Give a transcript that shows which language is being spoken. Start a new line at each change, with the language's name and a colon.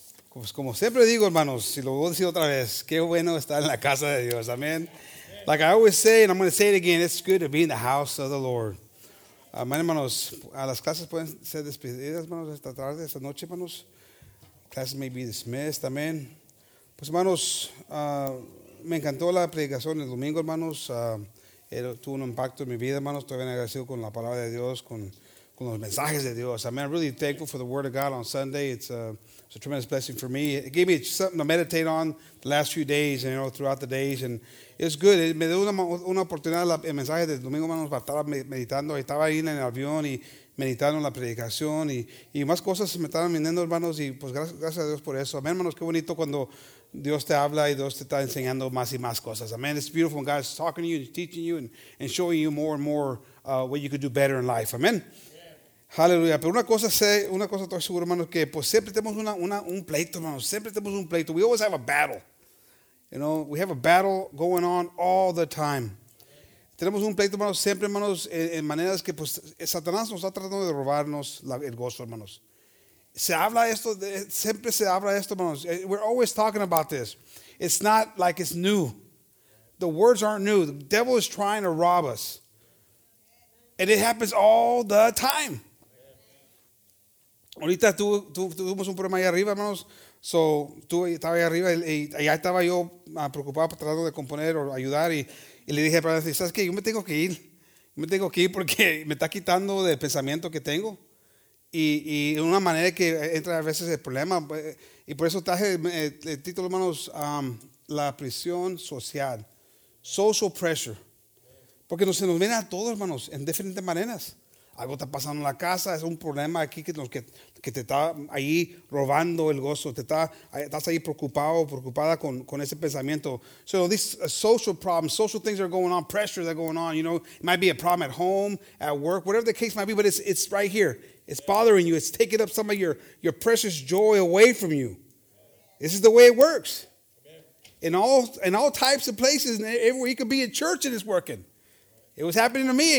Spanish: Pues como siempre digo, hermanos, y lo voy a decir otra vez, qué bueno estar en la casa de Dios.
English: Amen. Like I always say, and I'm going to say it again, it's good to be in the house of the Lord.
Spanish: Hermanos, a las clases pueden ser despedidas, hermanos, esta tarde, esta noche, hermanos.
English: Classes may be dismissed, amen.
Spanish: Pues, hermanos, me encantó la predicación el domingo, hermanos. Tuvo un impacto en mi vida, hermanos. Estoy bien agradecido con la palabra de Dios, con los mensajes de Dios.
English: Amen. I'm really thankful for the word of God on Sunday. It's a tremendous blessing for me. It gave me something to meditate on the last few days, and, you know, throughout the days, and it's good.
Spanish: Me dio una oportunidad el mensaje del domingo, hermanos, para estar meditando. Estaba ahí en el avión y meditando en la predicación y más cosas me estaban viniendo, hermanos, y pues gracias a Dios por eso. Amén, hermanos, qué bonito cuando Dios te habla y Dios te está enseñando más y más cosas.
English: Amén, it's beautiful when God is talking to you and teaching you and showing you more and more what you could do better in life.
Spanish: Amén. Aleluya. Pero una cosa estoy seguro, hermanos, que pues siempre tenemos un pleito, hermanos. Siempre tenemos un pleito.
English: We always have a battle. You know, we have a battle going on all the time.
Spanish: Tenemos un pleito, hermanos, siempre, hermanos, en maneras que, pues, Satanás nos está tratando de robarnos el gozo, hermanos. Se habla esto, siempre se habla esto, hermanos.
English: We're always talking about this. It's not like it's new. The words aren't new. The devil is trying to rob us. And it happens all the time.
Spanish: Ahorita tuvimos un problema ahí arriba, hermanos. So, tú estaba ahí arriba y allá estaba yo preocupado tratando de componer o ayudar y le dije, padre, ¿sabes qué? Yo me tengo que ir porque me está quitando del pensamiento que tengo y de una manera que entra a veces el problema. Y por eso traje el título, hermanos, la presión social,
English: social pressure,
Spanish: porque se nos viene a todos, hermanos, en diferentes maneras. Algo está pasando en la casa, es un problema aquí que te está ahí robando el gozo, estás ahí preocupado, preocupada con ese pensamiento.
English: So these social problems, social things are going on, pressures are going on, you know, it might be a problem at home, at work, whatever the case might be, but it's right here. It's bothering you, it's taking up some of your precious joy away from you. This is the way it works. In all types of places, everywhere you could be in church and it's working. It was happening to me.